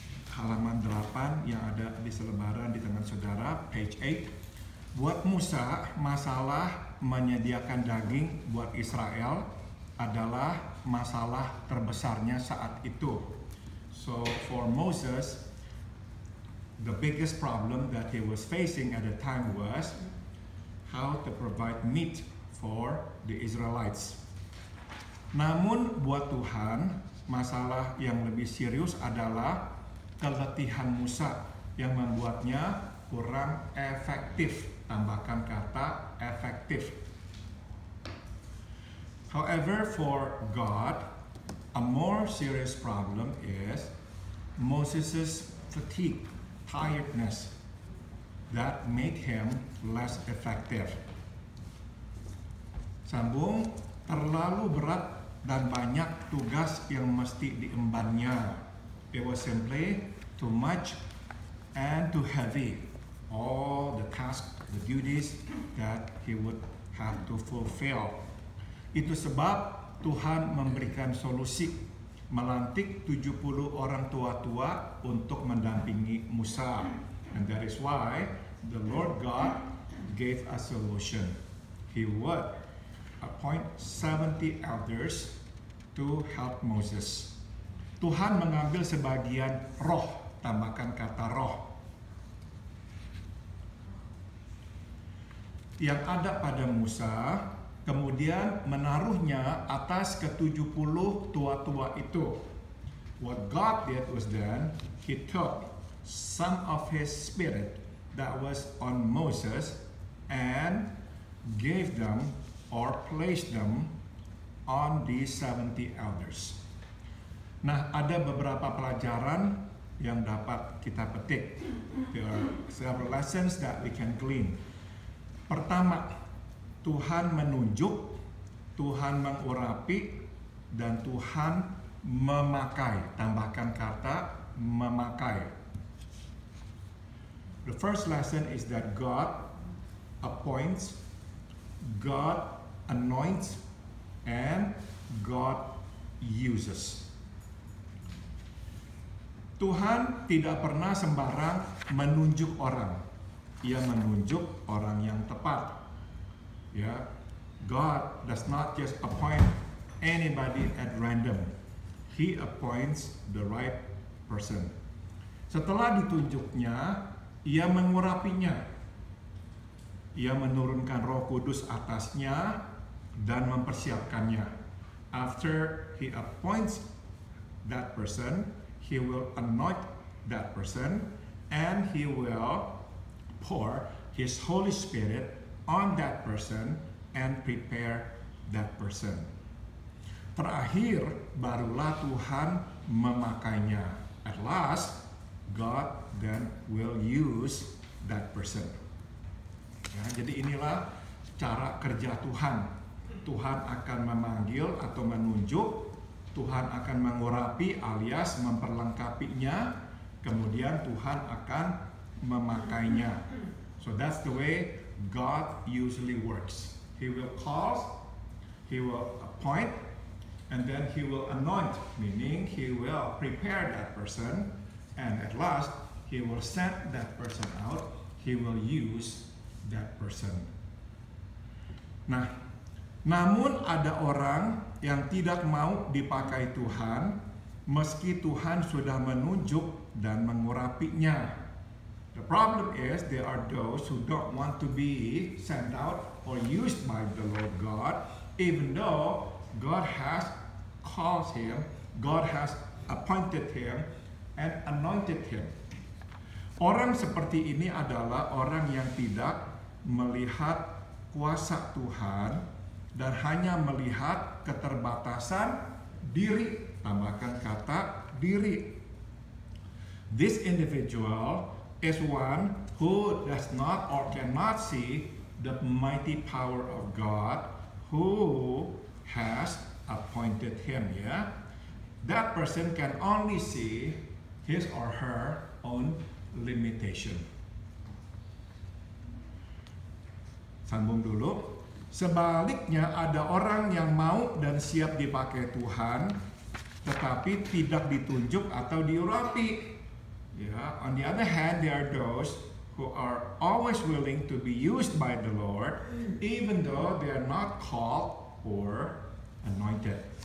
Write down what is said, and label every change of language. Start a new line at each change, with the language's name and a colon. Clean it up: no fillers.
Indonesian: Halaman 8 yang ada di selebaran di tangan saudara,
English: page 8.
Indonesian: Buat Musa, masalah menyediakan daging buat Israel adalah masalah terbesarnya saat itu.
English: So for Moses, the biggest problem that he was facing at the time was how to provide meat for the Israelites.
Indonesian: Namun buat Tuhan, masalah yang lebih serius adalah keletihan Musa yang membuatnya kurang efektif. Tambahkan kata efektif.
English: However, for God, a more serious problem is Moses' fatigue, tiredness that make him less effective.
Indonesian: Sambung, terlalu berat dan banyak tugas yang mesti diembannya.
English: It was simply too much and too heavy. All the tasks, the duties that he would have to fulfill.
Indonesian: Itu sebab Tuhan memberikan solusi, melantik 70 orang tua-tua untuk mendampingi Musa.
English: And that is why the Lord God gave a solution. He would appoint 70 elders to help Moses.
Indonesian: Tuhan mengambil sebagian roh, tambahkan kata roh, yang ada pada Musa, kemudian menaruhnya atas ke-70 tua-tua itu.
English: What God did was then, he took some of his spirit that was on Moses and gave them or placed them on the 70 elders.
Indonesian: Nah, ada beberapa pelajaran yang dapat kita petik.
English: There are several lessons that we can glean.
Indonesian: Pertama, Tuhan menunjuk, Tuhan mengurapi, dan Tuhan memakai. Tambahkan kata memakai.
English: The first lesson is that God appoints, God anoints, and God uses.
Indonesian: Tuhan tidak pernah sembarang menunjuk orang. Ia menunjuk orang yang tepat. Ya,
English: God does not just appoint anybody at random. He appoints the right person.
Indonesian: Setelah ditunjuknya, ia mengurapinya. Ia menurunkan Roh Kudus atasnya dan mempersiapkannya.
English: After he appoints that person, he will anoint that person and he will pour his Holy Spirit on that person and prepare that person.
Indonesian: Terakhir, barulah Tuhan memakainya.
English: At last, God then will use that person.
Indonesian: Ya, jadi inilah cara kerja Tuhan. Tuhan akan memanggil atau menunjuk, Tuhan akan mengurapi alias memperlengkapinya, kemudian Tuhan akan memakainya.
English: So that's the way God usually works. He will call, he will appoint, and then he will anoint, meaning he will prepare that person, and at last he will send that person out, he will use that person.
Indonesian: Nah, namun ada orang yang tidak mau dipakai Tuhan meski Tuhan sudah menunjuk dan mengurapinya.
English: The problem is there are those who don't want to be sent out or used by the Lord God, even though God has called him, God has appointed him, and anointed him.
Indonesian: Orang seperti ini adalah orang yang tidak melihat kuasa Tuhan dan hanya melihat keterbatasan diri. Tambahkan kata diri.
English: This individual is one who does not or cannot see the mighty power of God who has appointed him. Yeah? That person can only see his or her own limitation.
Indonesian: Sambung dulu. Sebaliknya, ada orang yang mau dan siap dipakai Tuhan tetapi tidak ditunjuk atau diurapi.
English: Yeah. On the other hand, there are those who are always willing to be used by the Lord even though they are not called or anointed.